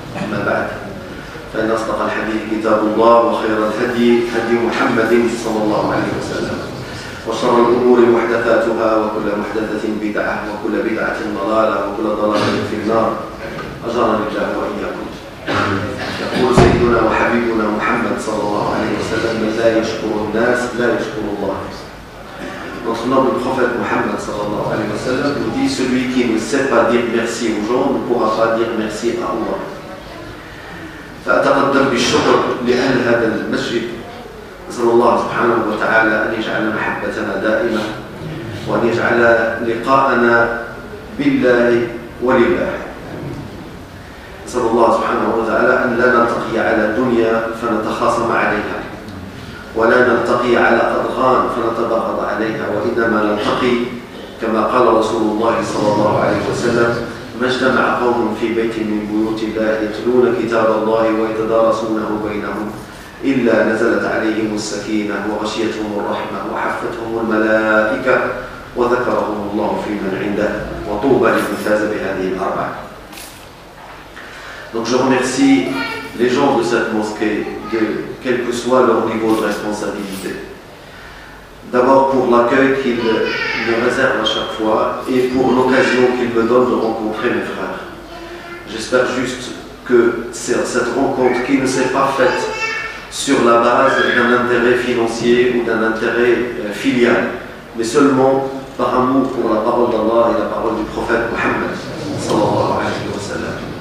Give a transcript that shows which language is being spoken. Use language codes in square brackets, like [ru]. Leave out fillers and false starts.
[ar] أما بعد، فإن أصدق الحديث كتاب الله وخير الهدي هدي محمد صلى الله عليه وسلم، وشر الأمور محدثاتها، وكل محدثة بدعة، وكل بدعة ضلالة، وكل ضلالة في النار. أجرني الله وإياكم. يقول سيدنا وحبيبنا محمد صلى الله عليه وسلم: من لا يشكر الناس لا يشكر الله. [fr] Notre noble prophète Mohammed [ar] sallallahu alayhi wa sallam [fr] nous dit: celui qui ne sait pas dire merci aux gens ne pourra pas dire merci à Allah. [ar] فأتقدم بالشكر لأهل هذا المسجد. نسأل الله سبحانه وتعالى أن يجعل محبتنا دائمة وأن يجعل لقاءنا بالله ولله. نسأل الله سبحانه وتعالى أن لا نلتقي على الدنيا فنتخاصم عليها، ولا نلتقي على أضغان فنتباغض عليها، وإنما نلتقي كما قال رسول الله صلى الله عليه وسلم: ما اجتمع قوم في بيت من بيوت الله يتلون كتاب الله ويتدارسونه بينهم إلا نزلت عليهم السكينة وغشيتهم الرحمة وحفتهم الملائكة وذكرهم الله فيمن عنده، وطوبى لمن فاز بهذه الأربعة. [fr] Donc je remercie les gens de cette mosquée, de quel que soit leur niveau de responsabilité. D'abord pour l'accueil qu'ils me réservent à chaque fois et pour l'occasion qu'ils me donnent de rencontrer mes frères. J'espère juste que cette rencontre qui ne s'est pas faite sur la base d'un intérêt financier ou d'un intérêt filial, mais seulement par amour pour la parole d'Allah et la parole du prophète Mohammed [ar] sallallahu alayhi wa sallam.